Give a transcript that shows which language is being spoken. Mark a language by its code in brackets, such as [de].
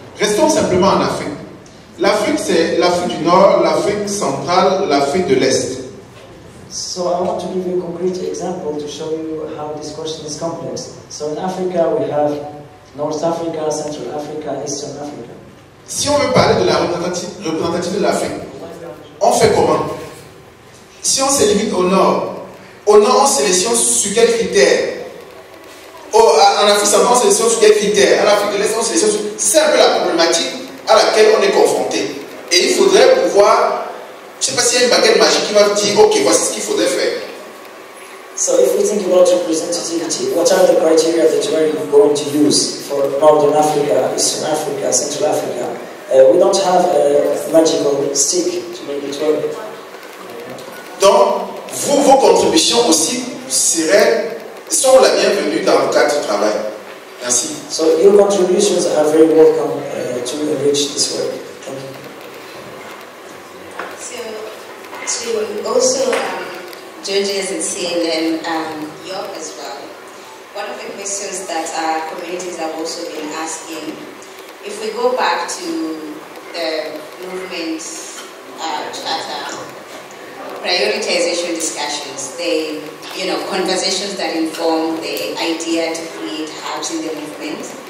[fr] Restons simplement en Afrique. L'Afrique, c'est l'Afrique du Nord, l'Afrique centrale, l'Afrique de l'Est. [en] So I want to give you a concrete example to show you how this question is complex. So in Africa, we have North Africa, Central Africa, Eastern Africa. [fr] Si on veut parler de la représentative de l'Afrique, on fait comment? Si on se limite au Nord, on sélectionne sur quels critères? En Afrique, on sélectionne sur quels critères? En Afrique de l'Est, on sélectionne sur... C'est un peu la problématique à laquelle on est confronté. Et il faudrait pouvoir... Je ne sais pas s'il y a une baguette magique qui va dire « Ok, voici ce qu'il faudrait faire. » [en] So if we think about representativity, what are the criteria that we are going to use for Northern Africa, Eastern Africa, Central Africa? We don't have a magical stick to make it work. [fr] Donc, vos contributions aussi seront la bienvenue dans le cadre du travail. Merci. [en] So your contributions are very welcome to enrich this work. Thank you. So to also Georges and Ciell and York as well, one of the questions that our communities have also been asking, if we go back to the movement charter, prioritization discussions, the you know, conversations that informed the idea to create hubs in the movement.